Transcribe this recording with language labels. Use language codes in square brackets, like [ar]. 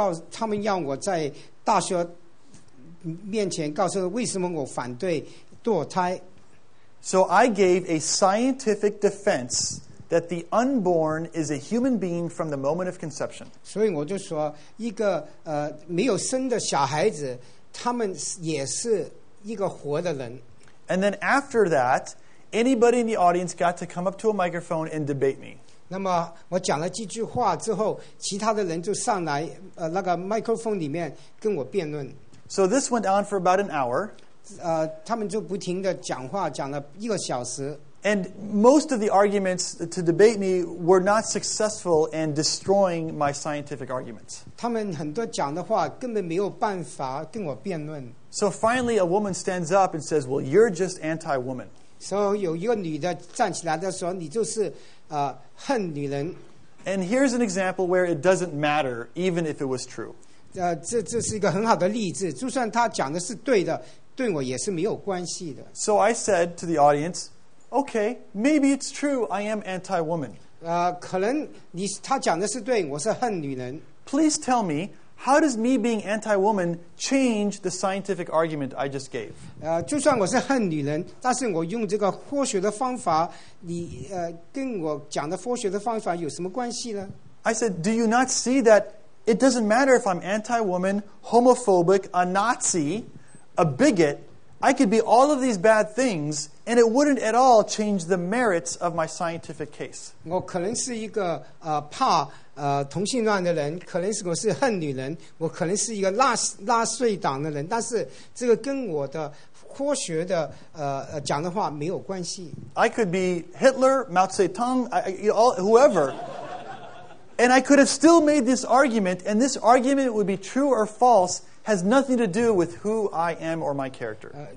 [zh] 他们让我在大学面前告诉为什么我反对堕胎。 [en] So I gave a scientific defense that the unborn is a human being from the moment of conception. [zh] 所以我就说，一个没有生的小孩子，他们也是。一个活的人。 [en] And then after that, anybody in the audience got to come up to a microphone and debate me. [zh] 那么我讲了几句话之后，其他的人就上来那个麦克风里面跟我辩论。 [en] So this went on for about an hour. [zh] 他们就不停地讲话，讲了一个小时。 [en] And most of the arguments to debate me were not successful in destroying my scientific arguments. [zh] 他们很多讲的话根本没有办法跟我辩论。 [en] So finally, a woman stands up and says, well, you're just anti-woman. [zh] So, 有一个女的站起来的时候，你就是恨女人。 [en] And here's an example where it doesn't matter, even if it was true. [zh] 这是一个很好的例子，就算她讲的是对的，对我也是没有关系的。 [en] So I said to the audience, okay, maybe it's true, I am anti-woman. [zh] 可能她讲的是对，我是恨女人。 [en] Please tell me,How does me being anti-woman change the scientific argument I just gave? [zh] 就算我是恨女人，但是我用这个科学的方法，你跟我讲的科学的方法有什么关系呢？ [en] I said, do you not see that it doesn't matter if I'm anti-woman, homophobic, a Nazi, a bigot, I could be all of these bad things, and it wouldn't at all change the merits of my scientific case. [zh] 我可能是一个怕同性恋的人，可能是我是恨女人，我可能是一个纳粹党的人，但是这个跟我的科学的讲的话没有关系。 [en] I could be Hitler, Mao Zedong, whoever. And I could have still made this argument, and this argument would be true or false, has nothing to do with who I am or my character.